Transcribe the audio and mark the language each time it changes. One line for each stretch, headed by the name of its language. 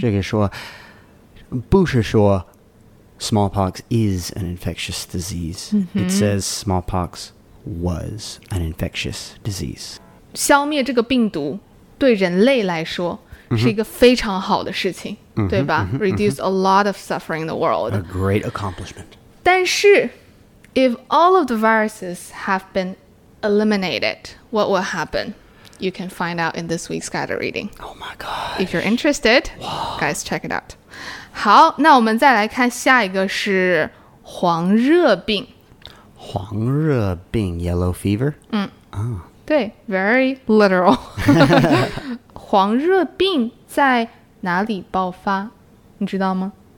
Chinese: 这个说不是说
English: smallpox is an infectious disease，it says smallpox was an infectious disease。
Chinese: 消灭这个病毒对人类来说是一个非常好的事情，对吧？
English: Reduce a lot of suffering in the world. A great accomplishment.
Chinese: 但是
English: if all of the viruses have been eliminated, what will happen? you can find out in this week's guided reading. Oh my god. If you're interested, guys, check it out.
Chinese: 好，那我们再来看下一个是黄热病。黄热病 ,yellow fever?
English: 对 ,very literal.
Chinese: 黄热病在哪里爆发你知道吗